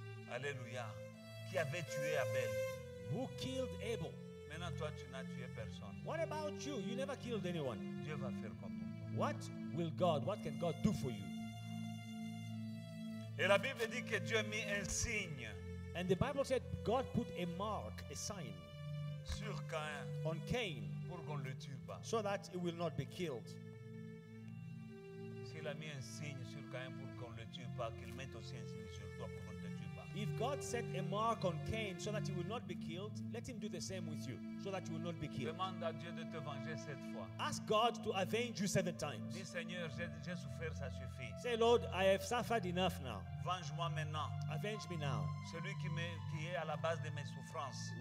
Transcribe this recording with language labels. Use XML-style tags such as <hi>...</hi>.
<fr>Alléluia. Qui avait tué Abel?</fr> <en>Who killed Abel?</en> <fr>Maintenant toi, tu n'as tué personne.</fr> <en>What about you? You never killed anyone.</en> <fr>Dieu va faire comme toi.</fr> <en>What will God? What can God do for you?</en> <fr>Et la Bible dit que Dieu a mis un signe.</fr> <en>And the Bible said God put a mark, a sign,</en> <fr>sur Cain,</fr> <en>on Cain,</en> <fr>pour qu'on le tue pas,</fr> <en>so that he will not be killed.</en> <fr>S'il a mis un signe sur Cain pour qu'on le tue pas, qu'il mette aussi un signe sur toi pour qu'on te tue pas.</fr> <en>If God set a mark on Cain so that he will not be killed, let him do the same with you, so that you will not be killed.</en> <fr>Demande à Dieu de te venger cette fois.</fr> <en>Ask God to avenge you seven times.</en> <fr>Dis, Seigneur, j'ai souffert, ça suffit.</fr> <en>Say, Lord, I have suffered enough now.</en> <fr>Venge-moi maintenant.</fr> <en>Avenge me now.</en> <fr>Celui qui est à la base de mes souffrances.</fr>